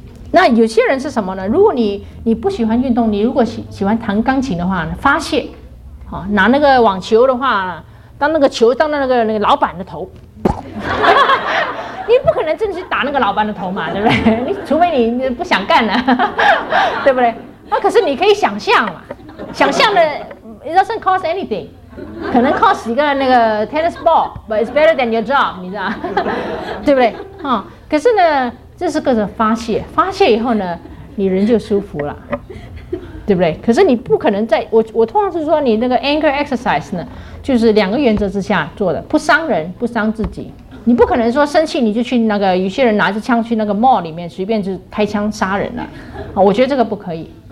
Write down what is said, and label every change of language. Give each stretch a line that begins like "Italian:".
Chinese: 那有些人是什么呢？如果你不喜欢运动，你如果喜欢弹钢琴的话呢，发泄，拿那个网球的话呢，当那个球当到那个老板的头，你不可能真的去打那个老板的头嘛，对不对？你除非你不想干了，对不对？可是你可以想象嘛，想象的
English: it doesn't cost anything，
Chinese: 可能 cost 一个那个 tennis ball，
English: but it's better than your job，
Chinese: 你知道，对不对？可是呢，这是个人发泄以后呢，你人就舒服了，对不对？可是你不可能在我通常是说你那个 anger exercise 呢，就是两个原则之下做的，不伤人，不伤自己。你不可能说生气你就去那个，有些人拿着枪去那个 mall 里面随便就开枪杀人了，我觉得这个不可以。